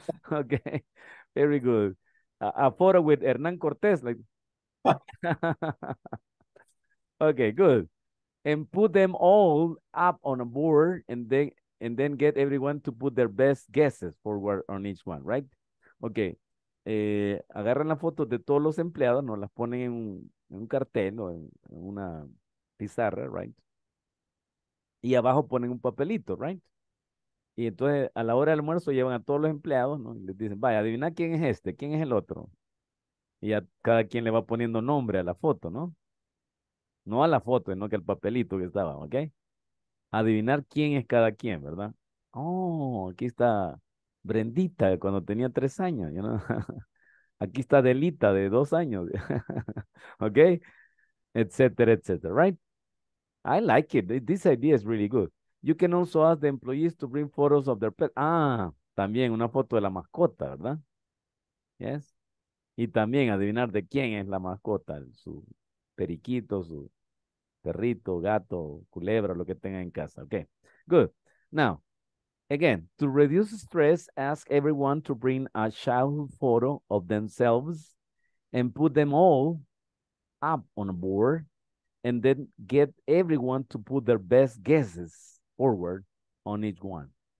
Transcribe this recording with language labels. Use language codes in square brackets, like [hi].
[en] Okay. Very good. A photo with Hernán Cortés. Like, Okay, good. And put them all up on a board and then get everyone to put their best guesses forward on each one, right? Okay. [es] Agarran las fotos de todos los empleados, nos las ponen en un cartel o en una pizarra, right? Y abajo ponen un papelito, right? Y entonces a la hora del almuerzo llevan a todos los empleados, ¿no? Y les dicen, vaya, adivina quién es este, quién es el otro. Y a cada quien le va poniendo nombre a la foto, ¿no? No a la foto, sino que al papelito que estaba, ¿ok? Adivinar quién es cada quien, ¿verdad? Oh, aquí está Brendita, cuando tenía 3 años, ¿no? Aquí está Delita, de 2 años, ¿ok? Etcétera, etcétera, [en] right? I like it. This idea is really good. You can also ask the employees to bring photos of their pet. [es] Ah, también una foto de la mascota, ¿verdad? Yes. Y también adivinar de quién es la mascota, su periquito, su perrito, gato, culebra, lo que tenga en casa. [en] Okay, good. Now, again, to reduce stress, ask everyone to bring a childhood photo of themselves and put them all up on a board and then get everyone to put their best guesses forward on each one.